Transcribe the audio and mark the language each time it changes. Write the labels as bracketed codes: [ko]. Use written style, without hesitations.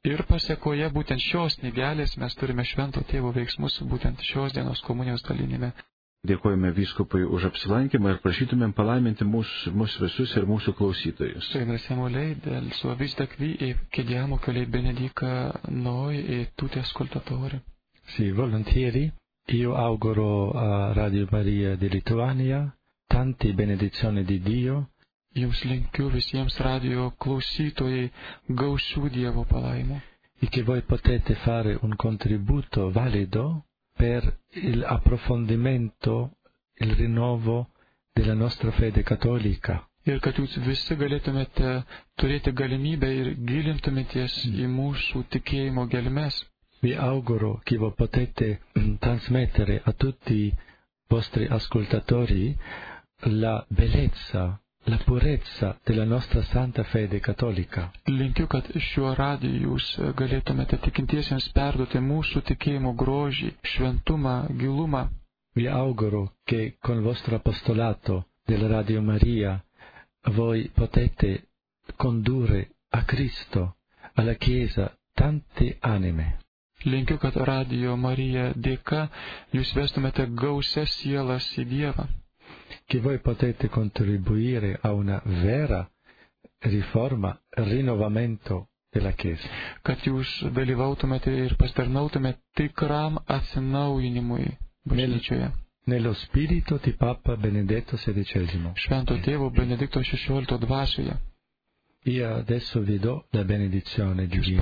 [lt] Ir pasekoje būtent šios knygelės mes turime švento tėvo veiksmus būtent šios dienos komunijos dalinime. Dėkojame vyskupui už apsilankymą ir prašytumėm palaiminti mus visus ir mūsų klausytojus. Sveikinasiamu leidėl, su avis dakvi, į kėdėjamo keliai Benedika, noj, į tūtės skultatorių. [it] Si, volontieri, io auguro a Radio Maria di Lituania. Tanti benedizioni di Dio. [lt] Jums linkiu visiems radio klausytojai gausių Dievo palaimų. [it] Iki voi potete fare un contributo valido per il approfondimento, il rinnovo della nostra fede cattolica. [lt] Ir kad jūs visi galėtumėte turėti galimybę ir gilintumėtės į mūsų tikėjimo gelmes. [it] Vi auguro che voi potete trasmettere a tutti i vostri ascoltatori la bellezza, la purezza della nostra santa fede cattolica. [lt] Linkiu, kad šiuo radiju jūs galėtumėte tikintiesiems perduoti mūsų tikėjimo grožį, šventumą, gilumą. [it] Vi auguro che con vostro apostolato della Radio Maria voi potete condurre a Cristo, alla Chiesa, tante anime. [lt] Linkiu, kad Radio Marija dėka jūs vestumėte gausias sielas į Dievą. [it] Che voi potete contribuire a una vera riforma, rinnovamento della Chiesa. [lt] Kad jūs dalyvautumėte ir pasternautumėte tikram atsinaujinimui bažnyčioje. [it] Nello spirito di Papa Benedetto XVI. [lt] Švento tėvo Benedikto XVI dvasioje. [it] Io adesso vi do la benedizione divina.